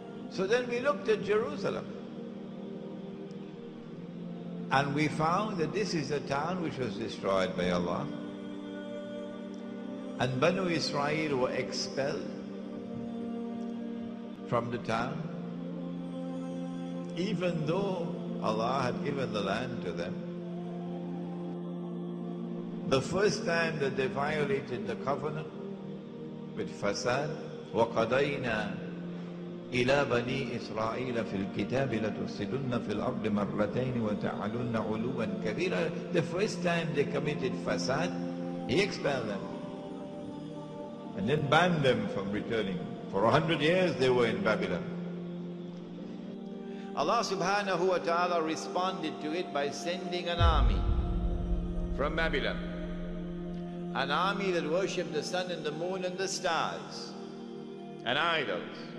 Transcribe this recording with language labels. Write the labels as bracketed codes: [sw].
[en] So then we looked at Jerusalem, and we found that this is a town which was destroyed by Allah. And Banu Israel were expelled from the town, even though Allah had given the land to them. The first time that they violated the covenant with fasad, [ar] وَقَضَيْنَا إِلَىٰ بَنِي إِسْرَائِيلَ فِي الْكِتَابِ لَتُفْسِدُنَّ فِي الْأَرْضِ مَرَّتَيْنِ وَتَعْلُنَّ عُلُوًا كَبِيرًا. [en] The first time they committed fasad, he expelled them and then banned them from returning. For 100 years they were in Babylon. Allah subhanahu wa ta'ala responded to it by sending an army from Babylon, an army that worshipped the sun and the moon and the stars and idols.